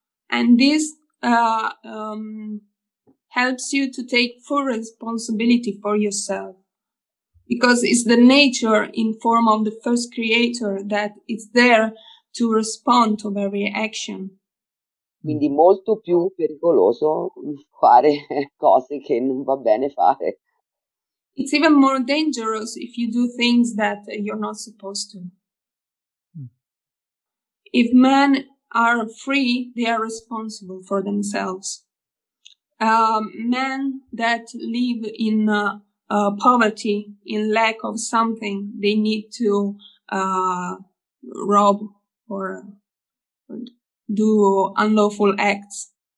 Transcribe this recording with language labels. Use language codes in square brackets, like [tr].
[en] And this helps you to take full responsibility for yourself. Because it's the nature in form of the first creator that is there to respond to every action. [it] Quindi molto più pericoloso fare cose che non va bene fare. [en] It's even more dangerous if you do things that you're not supposed to. If men are free, they are responsible for themselves. Men that live in poverty, in lack of something, they need to rob or do unlawful acts.